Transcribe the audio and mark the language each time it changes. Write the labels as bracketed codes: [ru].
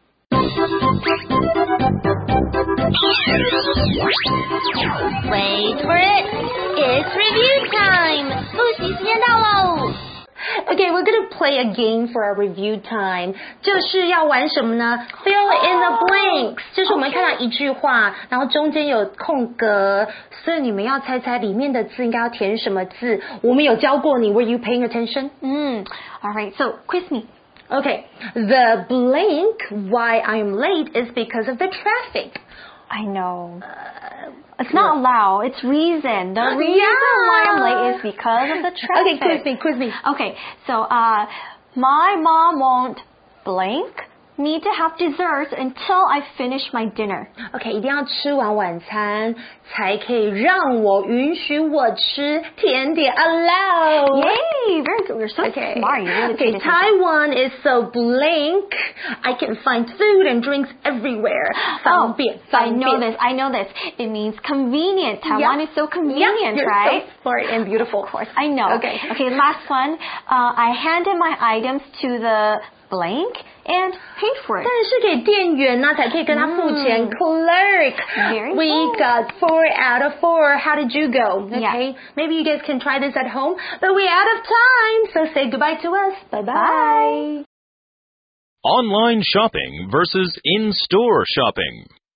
[en] Wait for it. It's review time. [zh] 复习时间到喽。 [en] Okay, we're gonna play a game for our review time. [zh] 就是要玩什么呢 ？ [en] Fill in the blanks. [zh] 就是我们看到一句话， okay. 然后中间有空格，所以你们要猜猜里面的字应该要填什么字。我们有教过你 ， [en] Were you paying attention? All right. So quiz me. Okay, the blank why I'm late is because of the traffic. I know. It's not allow. It's reason. The reason why I'm late is because of the traffic. Okay, quiz me. Okay, so my mom won't blank need to have dessert until I finish my dinner. [zh] Okay, 一定要吃完晚餐才可以让我允许我吃甜点 allow. [en] Yay, very good. You're so okay. smart. You're really okay, Taiwan is so blank. I can find food and drinks everywhere. I know this. It means convenient. Taiwan is so convenient, right? You're so smart and beautiful. Of course, I know. Okay, last one. I handed my items to the blank. And pay for it. [zh] 但是给店员呢，才可以跟他付钱。 [en] Clerk, we got 4 out of 4. How did you go? Okay, maybe you guys can try this at home. But we're out of time, so say goodbye to us. Bye-bye. Online shopping versus in-store shopping.